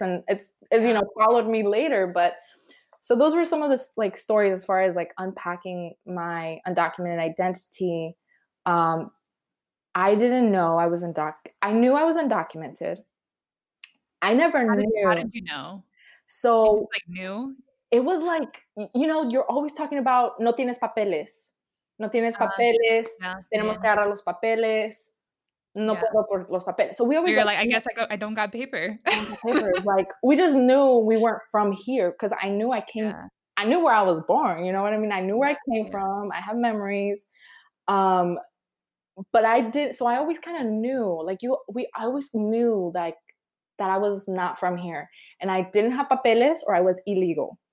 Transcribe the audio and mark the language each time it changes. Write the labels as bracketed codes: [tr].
[en] And it's, you know, followed me later. But so those were some of the like stories as far as like unpacking my undocumented identity. I didn't know I was I knew I was undocumented. I never knew. How did you know? So like new? It was like, you know, you're always talking about [es] no tienes papeles. No tienes papeles. Yeah, tenemos que agarrar los papeles. No puedo por los papeles. [en] So we always were like, I guess I don't got paper. Like, we just knew we weren't from here because I knew I came. Yeah. I knew where I was born. You know what I mean? I knew where I came from. I have memories. But I did. So I always kind of knew, like, I always knew like that I was not from here and I didn't have papeles or I was illegal.